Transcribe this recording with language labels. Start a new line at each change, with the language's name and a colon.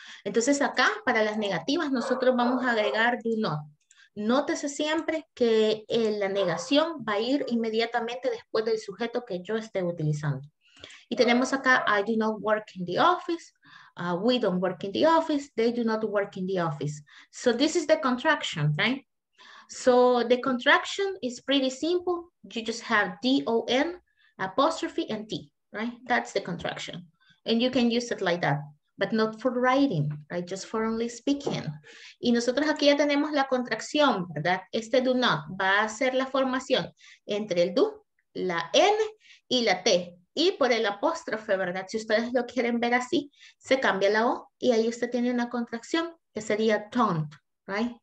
Spanish: Entonces, acá, para las negativas, nosotros vamos a agregar do not. Nótese siempre que la negación va a ir inmediatamente después del sujeto que yo esté utilizando. Y tenemos acá,
English: I do not work in the office, we don't work in the office, they do not work in the office. So this is the contraction, right? So the contraction is pretty simple. You just have D-O-N, apostrophe, and T, right? That's the contraction. And you can use it like that, but not for writing, right? Just for only speaking.
Spanish: Y nosotros aquí ya tenemos la contracción, ¿verdad? Este do not va a ser la formación entre el do, la N y la T. Y por el apóstrofe, ¿verdad? Si ustedes lo quieren ver así, se cambia la O y ahí usted tiene una contracción que sería don't, right?